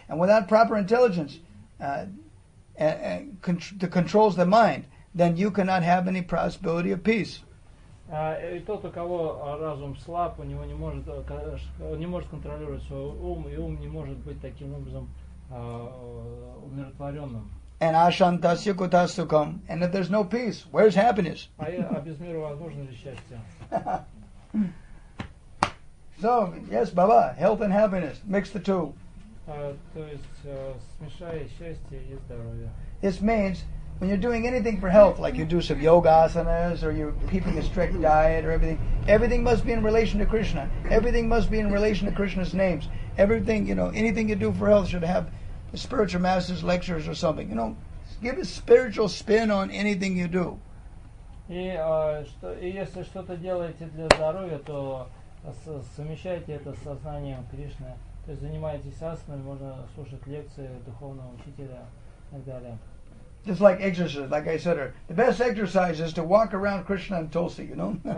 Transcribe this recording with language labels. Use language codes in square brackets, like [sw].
[en] And without proper intelligence that controls the mind, then you cannot have any possibility of peace. [ru] И тот, у кого разум слаб, у него не может контролировать свой ум, и ум не может быть таким образом умиротворенным. [en] And [sa] ashantasya kutasukam. [en] And if there's no peace, where's happiness? [ru] А без мира возможно ли счастье? [en] So, yes, Baba, health and happiness, mix the two. [ru] То есть смешая счастье и здоровье. [en] This means when you're doing anything for health, like you do some yoga asanas or you're keeping a strict diet or everything, everything must be in relation to Krishna. Everything must be in relation to Krishna's names. Everything, you know, anything you do for health should have a spiritual master's lectures or something. You know, give a spiritual spin on anything you do. [ru] И если что-то делаете для здоровья, то совмещайте это с сознанием Кришны. То есть занимаетесь асаной, можно слушать лекции духовного учителя и так далее. [en] Just like exercise, like I said, the best exercise is to walk around Krishna and Tulsi, you know?